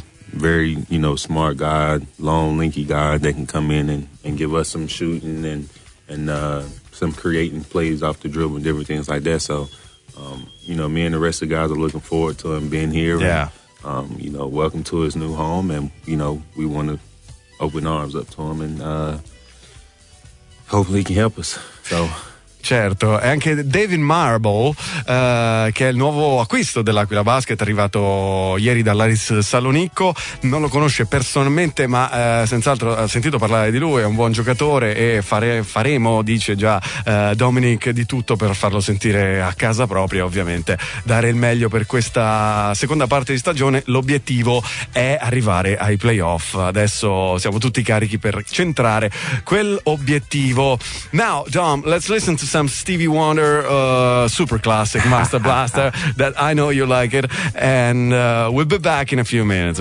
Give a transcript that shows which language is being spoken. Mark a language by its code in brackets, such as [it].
[en] Very, you know, smart guy, long, lanky guy that can come in and give us some shooting and some creating plays off the dribble and different things like that. So, you know, me and the rest of the guys are looking forward to him being here. Yeah. You know, welcome to his new home, and, you know, we want to open arms up to him, and hopefully he can help us. So. [it] Certo, e anche David Marble, che è il nuovo acquisto dell'Aquila Basket, arrivato ieri dall'Aris Salonicco, non lo conosce personalmente, ma senz'altro ha sentito parlare di lui, è un buon giocatore e faremo, dice già Dominic, di tutto per farlo sentire a casa propria, ovviamente dare il meglio per questa seconda parte di stagione. L'obiettivo è arrivare ai playoff, adesso siamo tutti carichi per centrare quell'obiettivo. [en] Now Dom, let's listen to some Stevie Wonder super classic Master Blaster that I know you like it, and we'll be back in a few minutes.